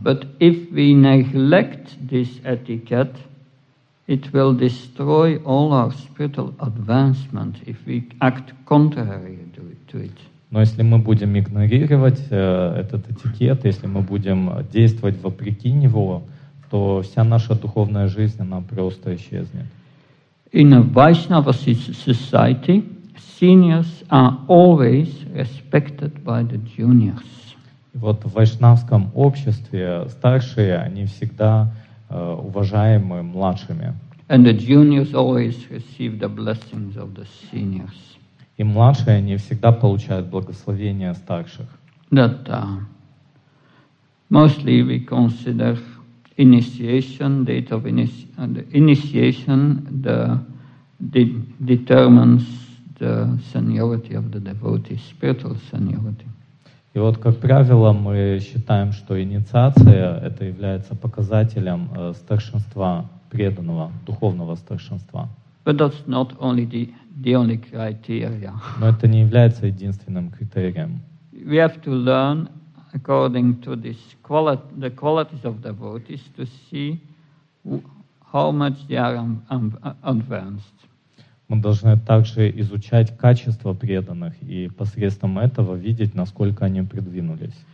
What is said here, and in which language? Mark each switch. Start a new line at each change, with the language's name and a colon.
English: But if we neglect this etiquette, it will destroy all our spiritual advancement if we act contrary to it.
Russian: Но если мы будем игнорировать этот этикет, если мы будем действовать вопреки него, то вся наша духовная жизнь она просто исчезнет.
English: In a Vaishnava society, seniors are always respected by the juniors.
Russian: Вот в вайшнавском обществе старшие, они всегда уважаемы младшими.
English: And the juniors always receive the blessings of the seniors.
Russian: И младшие, они всегда получают благословение старших.
English: That mostly we consider initiation, date of initiation, the determines the seniority of the devotee, spiritual seniority.
Russian: И вот, как правило, мы считаем, что инициация это является показателем старшинства преданного, духовного старшинства.
English: But that's not only the only criteria.
Russian: Но это не является единственным критерием.
English: We have to learn according to this the qualities of devotees to see how much they are advanced.
Russian: Мы должны также изучать качества преданных и посредством этого видеть, насколько они продвинулись.